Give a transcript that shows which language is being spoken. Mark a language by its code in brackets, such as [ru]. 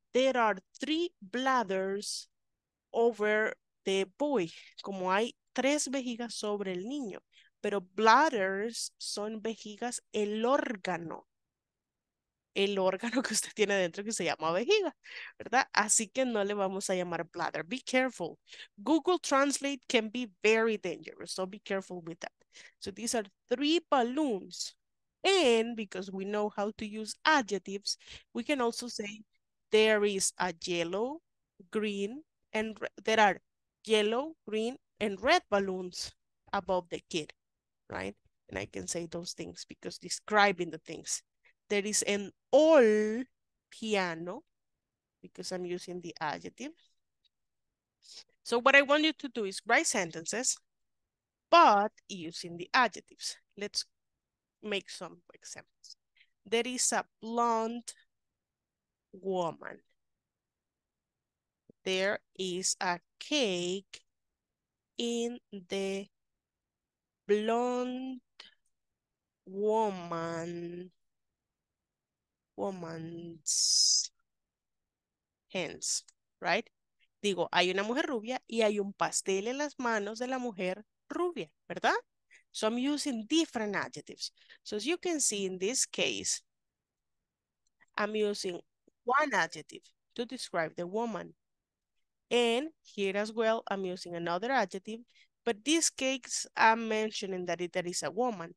[en] There are three bladders over the boy. [es] Como hay tres vejigas sobre el niño. Pero bladders son vejigas, el órgano. El órgano que usted tiene dentro que se llama vejiga, ¿verdad? Así que no le vamos a llamar bladder. [en] Be careful. Google Translate can be very dangerous, so be careful with that. So these are three balloons. And because we know how to use adjectives, we can also say there is a yellow, green, and there are yellow, green, and red balloons above the kid, right? And I can say those things because describing the things. There is an old piano, because I'm using the adjective. So what I want you to do is write sentences, but using the adjectives. Let's make some examples. There is a blonde woman. There is a cake in the blonde woman's hands, right? [es] Digo, hay una mujer rubia y hay un pastel en las manos de la mujer rubia, ¿verdad? [en] So I'm using different adjectives. So as you can see in this case, I'm using one adjective to describe the woman. And here as well, I'm using another adjective, but this case I'm mentioning that there is a woman.